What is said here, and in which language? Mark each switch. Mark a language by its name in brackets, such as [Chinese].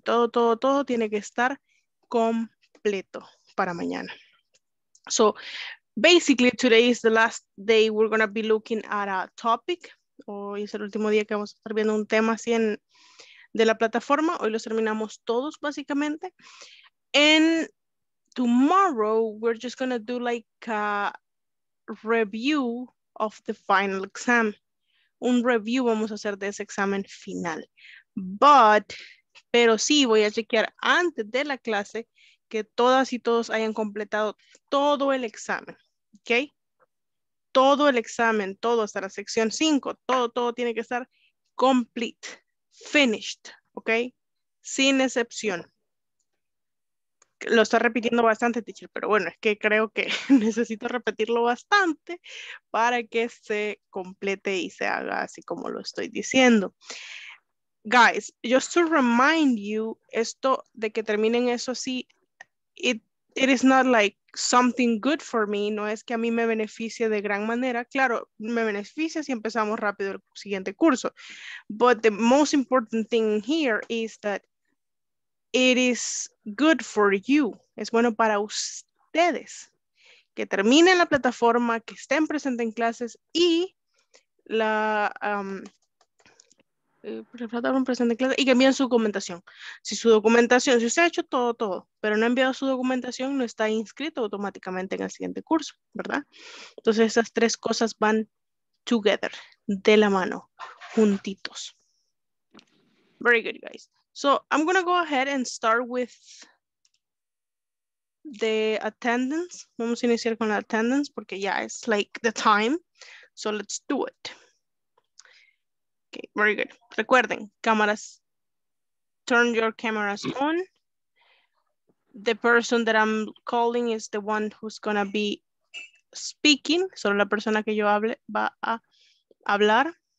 [Spanish] Todo, todo, todo tiene que estar completo para mañana. [English] So, basically, today is the last day we're going to be looking at a topic. [Spanish] Hoy es el último día que vamos a estar viendo un tema así en, de la plataforma. Hoy los terminamos todos, básicamente. [English] And tomorrow, we're just going to do like a review of the final exam. [Spanish] Un review vamos a hacer de ese examen final. Pero sí, voy a chequear antes de la clase que todas y todos hayan completado todo el examen, ¿ok? Todo el examen, todo hasta la sección 5, todo, todo tiene que estar [English] complete, finished, [Spanish] ¿ok? Sin excepción. Lo está repitiendo bastante, teacher, pero bueno, es que creo que necesito repetirlo bastante para que se complete y se haga así como lo estoy diciendo. Guys, [English] just to remind you, [Spanish] esto de que terminen eso así, [English] it is not like something good for me, [Spanish] no es que a mí me beneficie de gran manera. Claro, me beneficia si empezamos rápido el siguiente curso. [English] But the most important thing here is that it is good for you. [Spanish] Es bueno para ustedes que terminen la plataforma, que estén presentes en clases y la... y que envíen su documentación. Si su documentación, si usted ha hecho todo, todo, pero no ha enviado su documentación, no está inscrito automáticamente en el siguiente curso, ¿verdad? Entonces, esas tres cosas van together, de la mano, juntitos. [English] Very good, guys. So, I'm going to go ahead and start with the attendance. [Spanish] Vamos a iniciar con la [English] attendance [Spanish] porque ya es [English] like the time. So, let's do it. Okay, very good. [Spanish] Recuerden, cámaras, [English] turn your cameras on. The person that I'm calling is the one who's gonna be speaking. [Spanish] Solo la persona que yo hable va a hablar.